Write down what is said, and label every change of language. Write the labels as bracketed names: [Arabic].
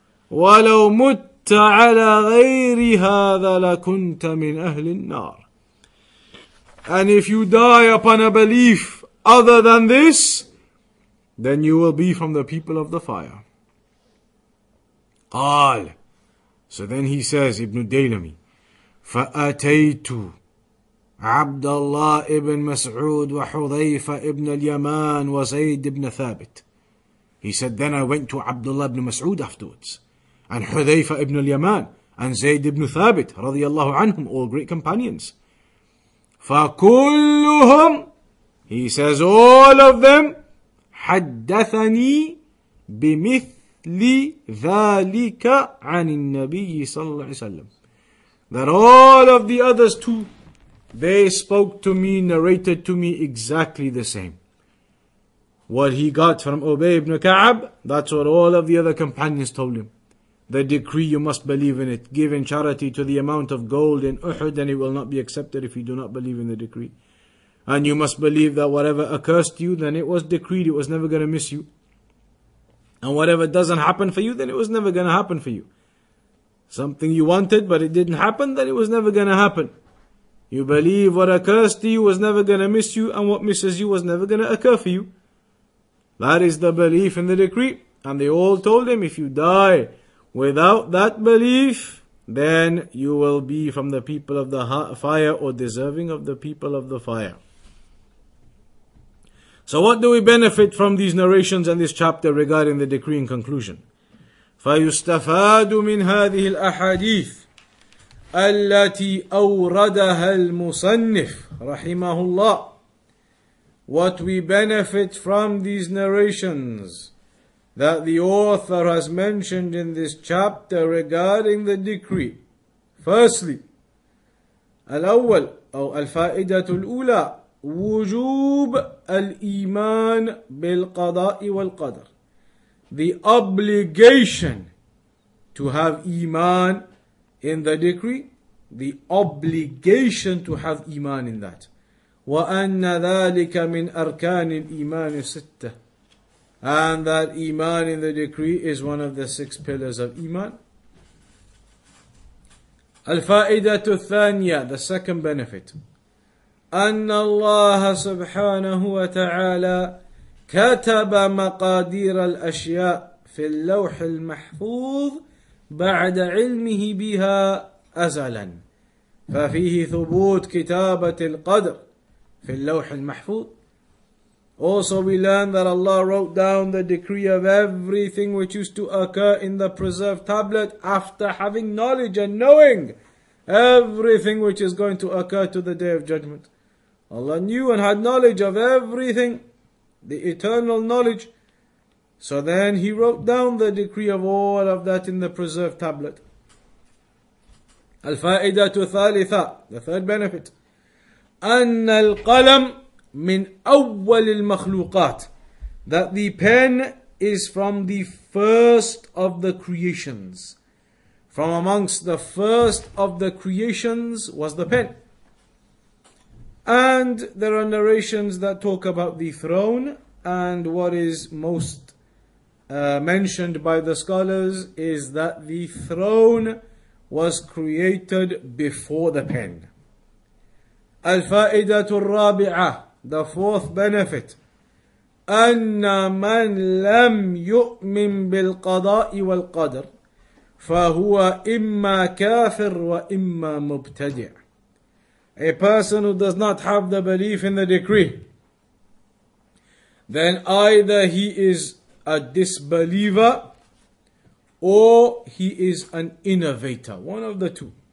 [Arabic] وَلَوْ مُتَّ عَلَى غَيْرِ هَذَا لَكُنْتَ مِنْ أَهْلِ النَّارِ. [English] And if you die upon a belief other than this, then you will be from the people of the fire. [Arabic] قال. [English] So then he says, [Arabic] Ibn Daylami, فَأَتَيْتُ عَبْدَ اللَّهِ ابْنَ مَسْعُودٍ وَحُذَيْفَ ابْنَ الْيَمَانِ وَزَيْدٍ ابْنَ ثَابِتٍ. [English] He said, then I went to Abdullah ibn Mas'ud afterwards, and Hudhayfa ibn al-Yaman, and Zayd ibn Thabit, radiallahu anhum, all great companions. [Arabic] فَكُلُّهُمْ, [English] he says, all of them, [Arabic] حَدَّثَنِي بِمِثْلِ ذَلِكَ عَنِ النَّبِيِّ صَلَّى اللَّهِ وَسَلَّمَ. [English] That all of the others too, they spoke to me, narrated to me exactly the same. What he got from Ubay ibn Ka'ab, that's what all of the other companions told him. The decree, you must believe in it. Giving charity to the amount of gold in Uhud, and it will not be accepted if you do not believe in the decree. And you must believe that whatever occurs to you, then it was decreed, it was never going to miss you. And whatever doesn't happen for you, then it was never going to happen for you. Something you wanted, but it didn't happen, then it was never going to happen. You believe what occurs to you was never going to miss you, and what misses you was never going to occur for you. That is the belief in the decree. And they all told him, if you die without that belief, then you will be from the people of the fire, or deserving of the people of the fire. So what do we benefit from these narrations and this chapter regarding the decree in conclusion? [Arabic] فَيُسْتَفَادُ مِنْ هَذِهِ الْأَحَادِيثِ التي أوردها المصنف رحمه الله. [English] What we benefit from these narrations that the author has mentioned in this chapter regarding the decree. Firstly, [Arabic] الأول أو الفائدة الأولى وجوب الإيمان بالقضاء والقدر. [English] The obligation to have إيمان in the decree. The obligation to have iman in that. [Arabic] وَأَنَّ ذَلِكَ مِنْ أَرْكَانِ الْإِيمَانِ سِتَّةِ. [English] And that iman in the decree is one of the six pillars of iman. [Arabic] الْفَائِدَةُ الثَّانِيَةُ, [English] the second benefit. [Arabic] أَنَّ اللَّهَ سُبْحَانَهُ وَتَعَالَى كَتَبَ مَقَادِيرَ الْأَشْيَاءِ فِي اللَّوْحِ الْمَحْفُوظِ بَعْدَ عِلْمِهِ بِهَا أزلاً. ففيه ثبوت كتابة القدر في اللوح المحفوظ. [English] Also we learn that Allah wrote down the decree of everything which used to occur in the preserved tablet after having knowledge and knowing everything which is going to occur to the Day of Judgment. Allah knew and had knowledge of everything, the eternal knowledge. So then He wrote down the decree of all of that in the preserved tablet. [Arabic] الفائدة الثالثة, [English] the third benefit. [Arabic] أن القلم من أول المخلوقات. [English] That the pen is from the first of the creations. From amongst the first of the creations was the pen. And there are narrations that talk about the throne. And what is most mentioned by the scholars is that the throne was created before the pen. [Arabic] الفائدة الرابعة, [English] the fourth benefit. [Arabic] أن من لم يؤمن بالقضاء والقدر فهو إما كافر وإما مبتدع. [English] A person who does not have the belief in the decree, then either he is a disbeliever or he is an innovator, one of the two.